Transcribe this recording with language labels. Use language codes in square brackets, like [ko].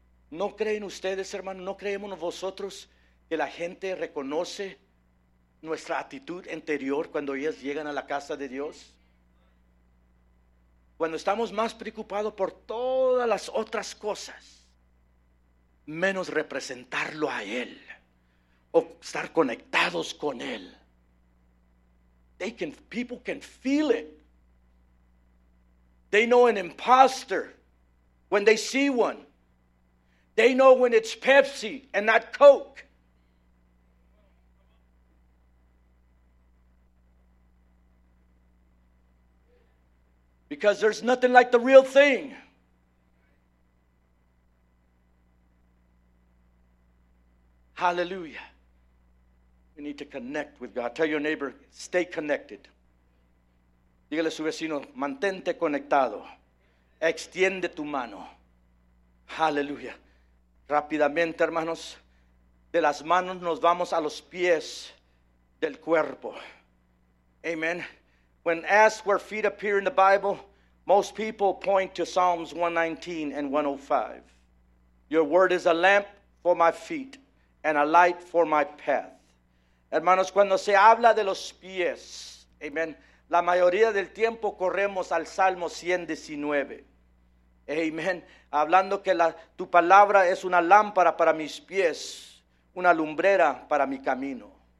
[es] ¿No creen ustedes, hermanos, no creemos vosotros que la gente reconoce nuestra actitud interior cuando ellas llegan a la casa de Dios? Cuando estamos más preocupados por todas las otras cosas, menos representarlo a Él o estar conectados con Él. [en] People can feel it. They know an imposter when they see one. They know when it's Pepsi and not Coke. Because there's nothing like the real thing. Hallelujah. We need to connect with God. Tell your neighbor, stay connected. [es] Dígale a su vecino, mantente conectado. Extiende tu mano. Aleluya. Rápidamente, hermanos, de las manos nos vamos a los pies del cuerpo. Amen. [en] When asked where feet appear in the Bible, most people point to Psalms 119 and 105. Your word is a lamp for my feet and a light for my path. [es] Hermanos, cuando se habla de los pies, amen, la mayoría del tiempo corremos al Salmo 119. Amen. Hablando que tu palabra es una lámpara para mis pies, una lumbrera para mi camino.